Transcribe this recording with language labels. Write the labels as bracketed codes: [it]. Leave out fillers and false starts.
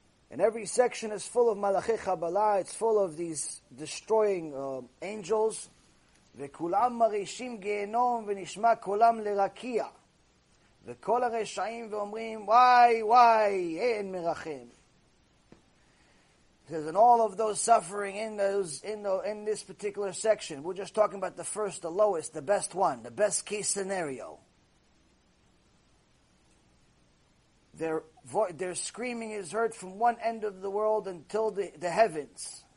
[en] And every section is full of malachei chabalah, it's full of these destroying angels. [he] וכולם מרישים גיהנום ונשמע קולם לרקיע. וכל הרשעים ואומרים, וואי, וואי, אין מרחם. [en] There's all of those suffering in this particular section. We're just talking about the first, the lowest, the best one, the best case scenario. Their screaming is heard from one end of the world until the heavens.